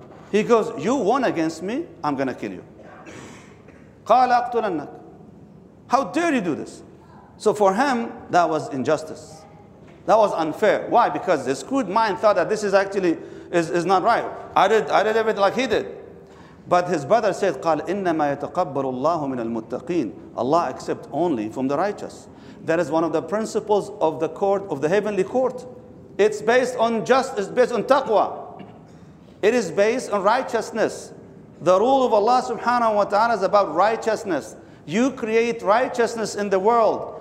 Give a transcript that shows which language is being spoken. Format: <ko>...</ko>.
<en>He goes, you won against me, I'm going to kill you.</en> <ar>قَالَ أَقْتُلَنَّكَ.</ar> <en>How dare you do this? So for him, that was injustice. That was unfair. Why? Because his crude mind thought that this is actually is not right. I did everything like he did. But his brother said,</en> <ar>قال إنما يتقبل الله من المتقين.</ar> <en>Allah accepts only from the righteous. That is one of the principles of the court, of the heavenly court. It's based on justice, it's based on taqwa. It is based on righteousness. The rule of Allah subhanahu wa ta'ala is about righteousness. You create righteousness in the world.</en>